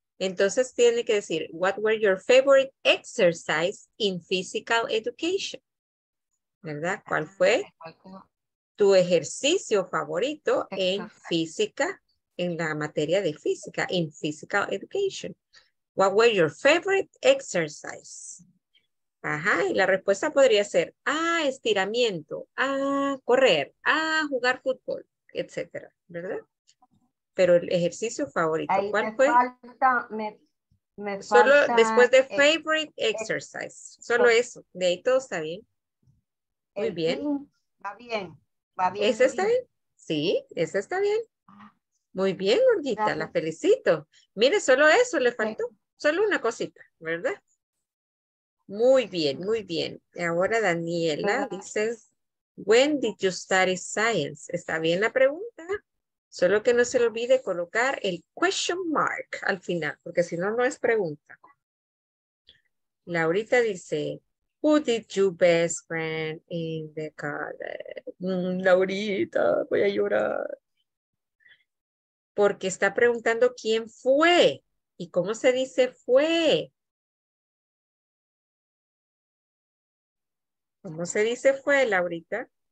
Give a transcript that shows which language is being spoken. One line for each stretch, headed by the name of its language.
Spanish: Entonces tiene que decir,
English: what were your favorite exercise in physical education?
Spanish: ¿Verdad? ¿Cuál fue tu ejercicio favorito en física, en la materia de física,
English: in physical education? What were your favorite exercise?
Spanish: Ajá, y la respuesta podría ser, estiramiento, correr, jugar fútbol, etcétera, ¿verdad? Pero el ejercicio favorito, ahí ¿cuál fue? Me solo falta, después de
English: favorite exercise,
Spanish: solo eso, de ahí todo está bien. Muy bien. Va bien. ¿Ese está bien? Sí, ese está bien. Muy bien, gordita, la felicito. Mire, solo eso le faltó, solo una cosita, ¿verdad? Muy bien, muy bien. Ahora Daniela dice,
English: when did you study science?
Spanish: ¿Está bien la pregunta? Solo que no se le olvide colocar el question mark al final, porque si no, no es pregunta. Laurita dice,
English: who did you best friend in the college?
Spanish: Laurita, voy a llorar. Porque está preguntando quién fue y cómo se dice fue. ¿Cómo se dice fue, Laurita?